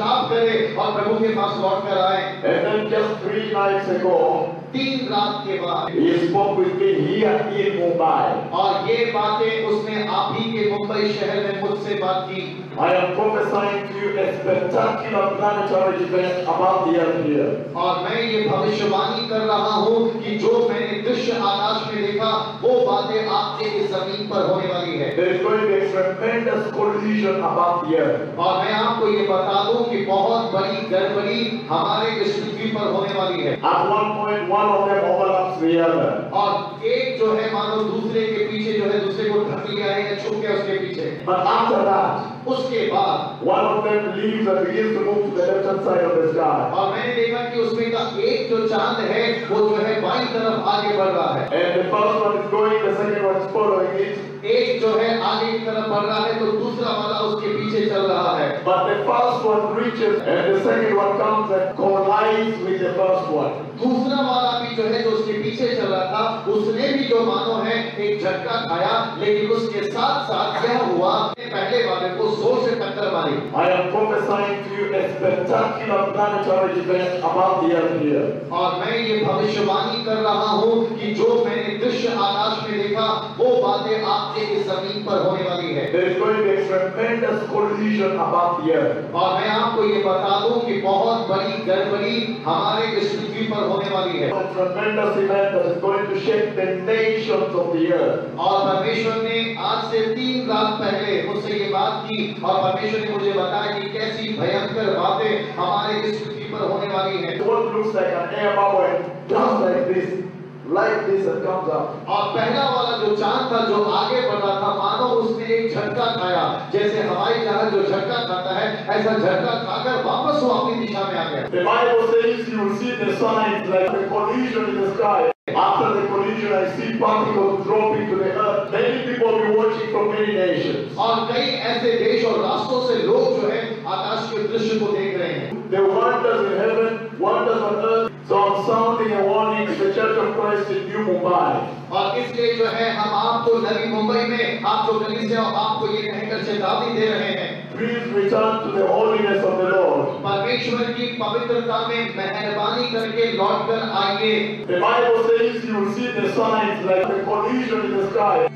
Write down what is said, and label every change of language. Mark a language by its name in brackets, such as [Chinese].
[English] And then just three nights ago, he spoke with me here in Mumbai. [Hindi] और ये बातें उसने आप ही के मुंबई शहर में मुझसे बात की. [English] I am prophesying to you a spectacular planetary event about the earth here. [Hindi] और मैं ये भविष्यवाणी कर रहा हूँ कि जो मैंने दृश्य आकाश में देखा वो बातें आपके इस जमीन पर होने वाली है. [English] There is going to be a tremendous collision above the earth. [Hindi] और मैं आपको ये बता दूं कि बहुत बड़ी गड़बड़ी हमारे इस पृथ्वी पर होने वाली है. [English] At one point, one of them overlaps the other. [Hindi] और एक जो है मानो दूसरे के पीछे जो है दूसरे को ढक लिया है या छुप गया उसके पीछे. [English] But after that, [Hindi] उसके बाद, [English] one of them leaves and begins to move to the left hand side of the sky. [Hindi] और मैंने देखा कि उसमें का एक जो चांद है वो जो है बाईं तरफ आगे बढ़ रहा है. [English] And the first one is going, the second one is following it. [Hindi] एक जो है आगे की तरफ बढ़ रहा है तो दूसरा वाला उसके पीछे चल रहा है. [English] But the first one reaches and the second one comes and collides with the first one. [Hindi] दूसरा वाला भी जो है जो उसके पीछे चल रहा था उसने भी जो मानो है एक झटका खाया, लेकिन उसके साथ साथ क्या हुआ, पहले वाले को जोर से टक्कर मारी. [English] I am prophesying to you a spectacular planetary event about the earth here. [Hindi] और मैं ये भविष्यवाणी कर रहा हूँ कि जो मैंने दृश्य आकाश में देखा वो बातें आपके इस जमीन पर होने वाली है. [English] There is going to be a tremendous collision above the earth. [Hindi] और मैं आपको ये बता दूं कि बहुत बड़ी गड़बड़ी हमारे इस पृथ्वी पर होने वाली है. [English] A tremendous event that is going to shake the nations of the earth. [Hindi] और परमेश्वर ने आज से 3 रात पहले मुझसे ये बात की और परमेश्वर ने मुझे बताया कि कैसी भयंकर बातें हमारे इस पृथ्वी पर होने वाली है. [English] What looks like an air bubble just like this. Like this and comes up. [Hindi] और पहला वाला जो चांद था जो आगे बढ़ा था मानो उसने एक झटका खाया, जैसे हवाई जहाज जो झटका खाता है ऐसा झटका खाकर वापस वो अपनी दिशा में आ गया. [English] The Bible says you will see the signs like a collision in the sky. After the collision, I see particles dropping to the earth. Many people will be watching from many nations. [Hindi] और कई ऐसे देश और राष्ट्रों से लोग जो है आकाश के दृश्य को देख रहे हैं. [English] The wonders in heaven, wonders on earth. So I'm sounding a warning to the Church of Christ in New Mumbai. [Hindi] और इसलिए जो है हम आपको नवी मुंबई में आप जो कलीसिया आपको ये कहकर चेतावनी दे रहे हैं. [English] Please return to the holiness of the Lord. [Hindi] परमेश्वर की पवित्रता में मेहरबानी करके लौट कर आइए. [English] The Bible says you will see the signs like a collision in the sky.